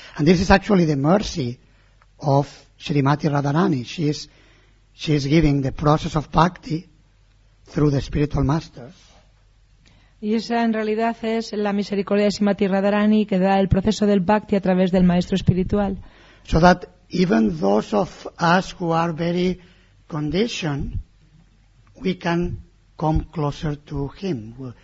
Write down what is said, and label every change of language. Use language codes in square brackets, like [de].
[en] And this is actually the mercy of Srimati Radharani. She is giving the process of Bhakti through the spiritual master. [es] Y esa en realidad es la misericordia de Srimati Radharani que da el proceso del bhakti a través del maestro espiritual. [en] So that even those of us who are very conditioned, we can come closer to him.